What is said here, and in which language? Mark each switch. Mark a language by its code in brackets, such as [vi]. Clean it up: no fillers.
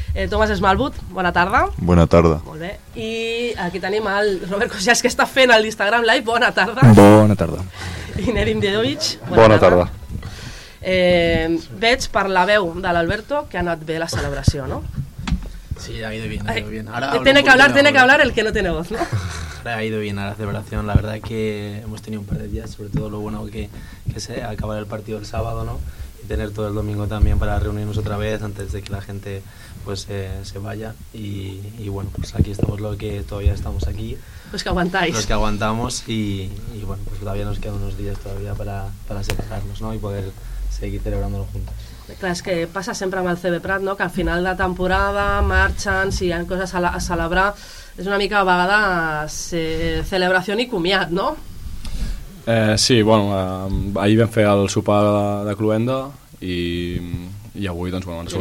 [ca] Tomàs Smallwood, bona tarda. Bona tarda. Molt bé. I aquí tenim el Robert Cosias, que està fent l'Instagram Live, bona tarda. Bona tarda. I Nerim Djedovic, bona tarda. Veig per la veu de l'Alberto que ha anat bé la celebració, no? [es] Sí, ha ido bien, Ahora tiene que hablar el que no tiene voz, ¿no? Ha ido bien a la celebración, la verdad es que hemos tenido un par de días, sobre todo lo bueno que es acabar el partido el sábado, ¿no? Y tener todo el domingo también para reunirnos otra vez antes de que la gente pues se vaya y bueno, pues aquí estamos los que todavía estamos aquí. Los que aguantáis. Los que aguantamos y bueno, pues todavía nos quedan unos días todavía para separarnos, ¿no? Y poder seguir celebrándolo juntos. [ca] Clar, és que passa sempre amb el CB Prat, no? Que al final de temporada marxen, si hi ha coses a celebrar, és una mica a vegades celebració i comiat, no? Sí, bueno, ahir vam fer el sopar de cloenda i avui doncs, bueno, ha sorgit.